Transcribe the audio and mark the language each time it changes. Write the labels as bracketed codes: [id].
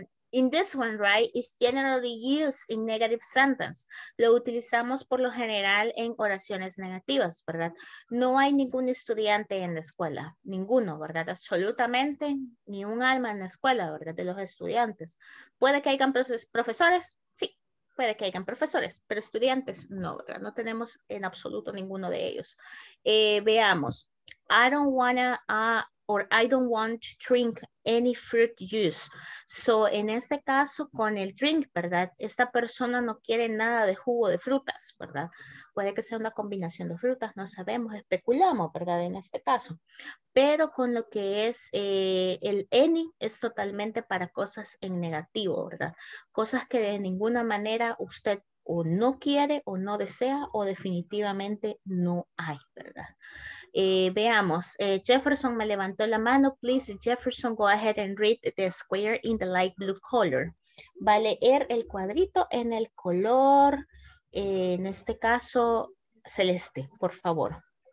[en] In this one, right, it's generally used in negative sentence. [es] Lo utilizamos por lo general en oraciones negativas, ¿verdad? No hay ningún estudiante en la escuela. Ninguno, ¿verdad? Absolutamente ni un alma en la escuela, ¿verdad? De los estudiantes. ¿Puede que hayan profesores? Sí, puede que hayan profesores, pero estudiantes no, ¿verdad? No tenemos en absoluto ninguno de ellos. Veamos. [en] I don't wanna... or I don't want to drink any fruit juice. [es] So, en este caso, con el drink, ¿verdad? Esta persona no quiere nada de jugo de frutas, ¿verdad? Puede que sea una combinación de frutas, no sabemos, especulamos, ¿verdad? En este caso. Pero con lo que es el any, es totalmente para cosas en negativo, ¿verdad? Cosas que de ninguna manera usted o no quiere, o no desea, o definitivamente no hay, ¿verdad? Veamos, Jefferson me levantó la mano. [en] Please, Jefferson, go ahead and read the square in the light blue color. [es] Va a leer el cuadrito en el color, en este caso, celeste, por favor.